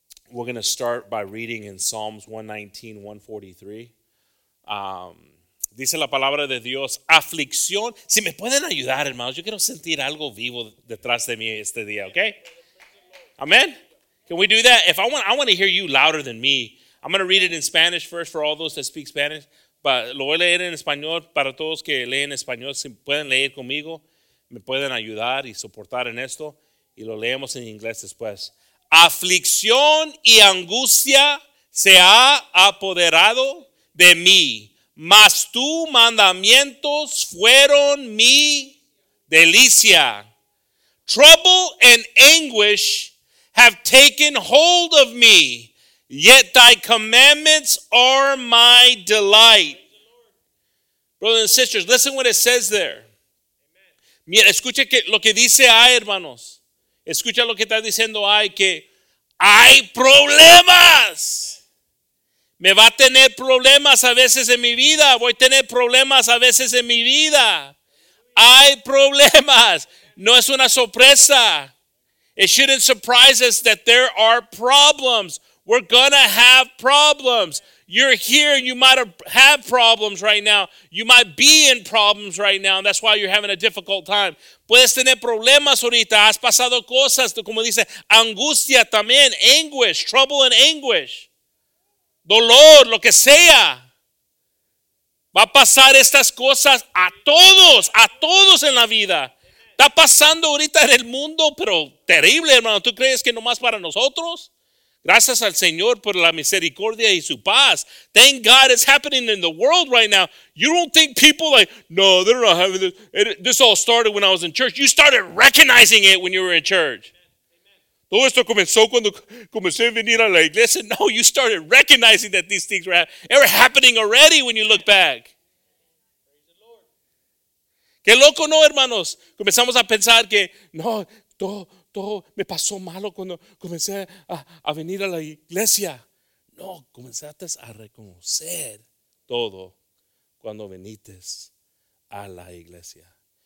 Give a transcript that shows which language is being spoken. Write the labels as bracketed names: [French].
[English] We're going to start by reading in Psalms 119:143. [Spanish] Dice la palabra de Dios, aflicción. Si me pueden ayudar, hermanos, yo quiero sentir algo vivo detrás de mí este día, okay? [English] Amen. Can we do that? If I want to hear you louder than me. I'm going to read it in Spanish first for all those that speak Spanish. [Spanish] But lo voy a leer en español para todos que leen español. Si pueden leer conmigo, me pueden ayudar y soportar en esto. Y lo leemos en inglés después. Aflicción y angustia se ha apoderado de mí, mas tus mandamientos fueron mi delicia. [English] Trouble and anguish have taken hold of me, yet thy commandments are my delight. Brothers and sisters, listen what it says there. [Spanish] Mira, escucha lo que dice ahí, hermanos. Escucha lo que está diciendo ahí, que hay problemas. Me va a tener problemas a veces en mi vida. Voy a tener problemas a veces en mi vida. Hay problemas. No es una sorpresa. [English] It shouldn't surprise us that there are problems. We're gonna have problems. You're here and you might have problems right now. You might be in problems right now, and that's why you're having a difficult time. [Spanish] Puedes tener problemas ahorita. Has pasado cosas, como dice, angustia también, [English] anguish, trouble and anguish. [Spanish] Dolor, lo que sea. Va a pasar estas cosas a todos en la vida. Está pasando ahorita en el mundo, pero terrible, hermano. ¿Tú crees que nomás para nosotros? Gracias al Señor por la misericordia y su paz. [English] Thank God it's happening in the world right now. You don't think people like, no, they're not having this. This all started when I was in church. You started recognizing it when you were in church. [Spanish] Todo esto comenzó cuando comencé a venir a la iglesia. [English] No, you started recognizing that these things were happening already when you look back. [Spanish] Qué loco, ¿no, hermanos? Comenzamos a pensar que, no, todo me pasó malo cuando comencé a venir a la iglesia. No, comenzaste a reconocer todo cuando viniste a la iglesia.